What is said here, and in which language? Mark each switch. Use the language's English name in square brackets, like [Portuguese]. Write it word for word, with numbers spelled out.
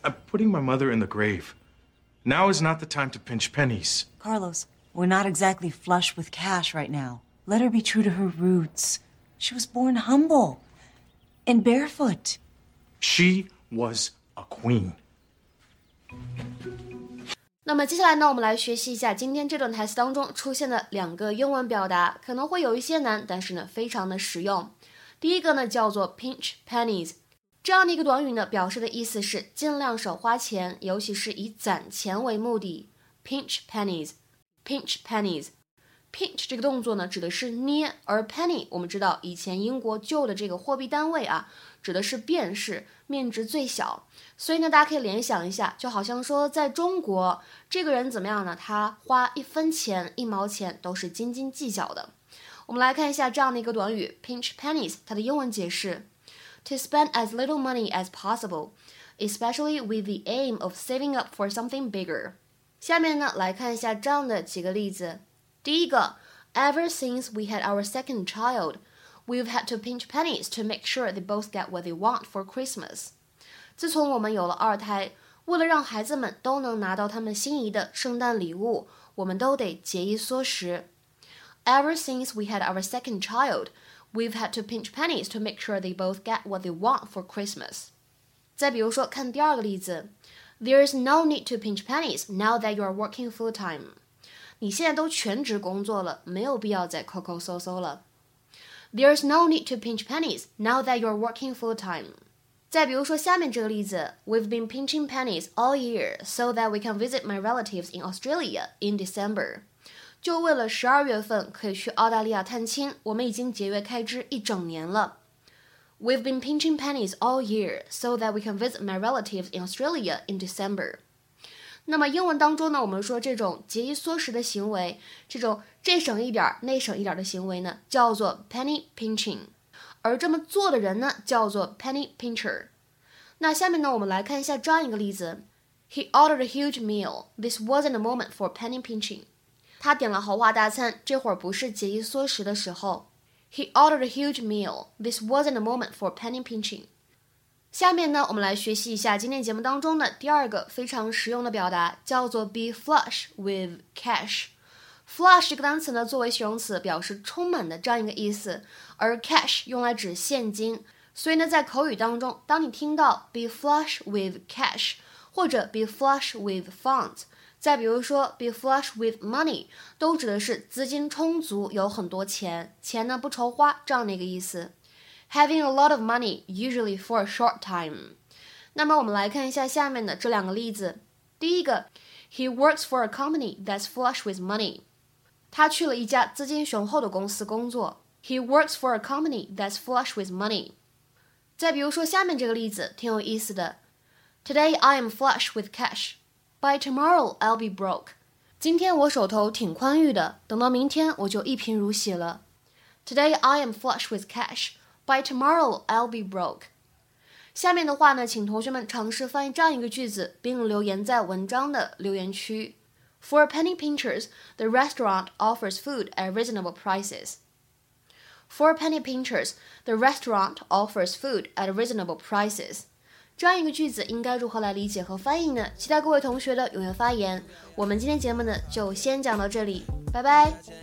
[English] I'm putting my mother in the grave. Now is not the time to pinch pennies. Carlos, we're not exactly flush with cash right now. Let her be true to her roots. She was born humble and barefoot. She was a queen. [Chinese] 那么接下来呢，我们来学习一下今天这段台词当中出现的两个英文表达，可能会有一些难，但是呢，非常的实用。第一个呢，叫做 pinch pennies。这样的一个短语呢，表示的意思是尽量少花钱，尤其是以攒钱为目的。 Pinch pennies, pinch pennies, pinch 这个动作呢，指的是捏，而 penny 我们知道以前英国旧的这个货币单位啊，指的是便士，面值最小。所以呢，大家可以联想一下，就好像说在中国，这个人怎么样呢？他花一分钱、一毛钱都是斤斤计较的。我们来看一下这样的一个短语 pinch pennies， 它的英文解释。 [English] To spend as little money as possible, especially with the aim of saving up for something bigger. [Chinese] 下面呢，来看一下这样的几个例子。第一个 [English] ，Ever since we had our second child, we've had to pinch pennies to make sure they both get what they want for Christmas. [Chinese] 自从我们有了二胎，为了让孩子们都能拿到他们心仪的圣诞礼物，我们都得节衣缩食。 [English] Ever since we had our second child. We've had to pinch pennies to make sure they both get what they want for Christmas. [Chinese] 再比如说，看第二个例子 [English] ，There's no need to pinch pennies now that you are working full time. [Chinese] 你现在都全职工作了，没有必要再抠抠搜搜了。 [English] There's no need to pinch pennies now that you are working full time. [Chinese] 再比如说，下面这个例子 [English] ，We've been pinching pennies all year so that we can visit my relatives in Australia in December. [Chinese] 就为了十二月份可以去澳大利亚探亲，我们已经节约开支一整年了。 [English] We've been pinching pennies all year so that we can visit my relatives in Australia in December. [Chinese] 那么英文当中呢，我们说这种节衣缩食的行为，这种这省一点，那省一点的行为呢，叫做 penny pinching。而这么做的人呢，叫做 penny pincher。那下面呢，我们来看一下这样一个例子。 [English] He ordered a huge meal. This wasn't a moment for penny pinching. [Chinese] 他点了豪华大餐，这会儿不是节衣缩食的时候。 [English] He ordered a huge meal. This wasn't a moment for penny pinching. [Chinese] 下面呢，我们来学习一下今天节目当中的第二个非常实用的表达，叫做 be flush with cash。 Flush 这个单词呢，作为形容词表示充满的这样一个意思，而 cash 用来指现金。所以呢，在口语当中，当你听到 be flush with cash 或者 be flush with funds， 再比如说 be flush with money， 都指的是资金充足，有很多钱，钱呢不愁花这样的一个意思。 [English] Having a lot of money usually for a short time。 [Chinese] 那么我们来看一下下面的这两个例子。第一个 [English] ，He works for a company that's flush with money。 [Chinese] 他去了一家资金雄厚的公司工作。 [English] He works for a company that's flush with money。 [Chinese] 再比如说下面这个例子挺有意思的。 [English] Today I am flush with cash. By tomorrow I'll be broke. [Chinese] 今天我手头挺宽裕的，等到明天我就一贫如洗了。 [English] Today I am flush with cash. By tomorrow I'll be broke. [Chinese] 下面的话呢，请同学们尝试翻译这样一个句子，并留言在文章的留言区。 [English] For penny pinchers, the restaurant offers food at reasonable prices. For penny pinchers, the restaurant offers food at reasonable prices. [Chinese] 这样一个句子应该如何来理解和翻译呢？期待各位同学的踊跃发言。我们今天节目呢就先讲到这里，拜拜。